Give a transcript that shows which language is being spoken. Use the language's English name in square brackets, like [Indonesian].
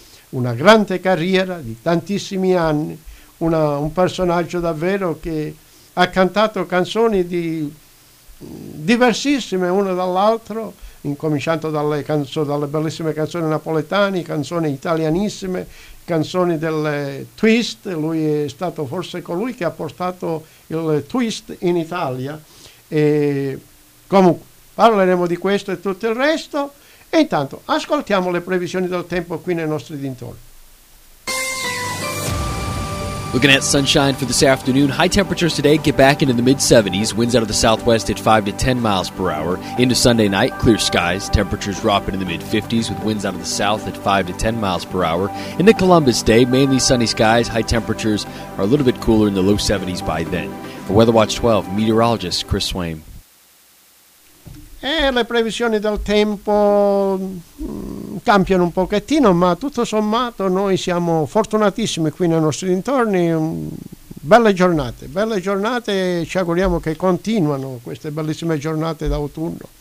[Italian] Una grande carriera di tantissimi anni, un personaggio davvero che ha cantato canzoni diversissime una dall'altro, incominciando dalle bellissime canzoni napoletane, canzoni italianissime, canzoni del twist. Lui è stato forse colui che ha portato il twist in Italia. E comunque, parleremo di questo e tutto il resto. E intanto ascoltiamo le previsioni del tempo qui nei nostri dintorni. [English] Looking at sunshine for this afternoon, high temperatures today get back into the mid-70s, winds out of the southwest at 5 to 10 miles per hour. Into Sunday night, clear skies, temperatures drop into the mid-50s with winds out of the south at 5 to 10 miles per hour. Into Columbus Day, mainly sunny skies, high temperatures are a little bit cooler in the low 70s by then. For WeatherWatch 12, meteorologist Chris Swaim. [Italian] Le previsioni del tempo cambiano un pochettino, ma tutto sommato noi siamo fortunatissimi qui nei nostri dintorni. Belle giornate, ci auguriamo che continuano queste bellissime giornate d'autunno.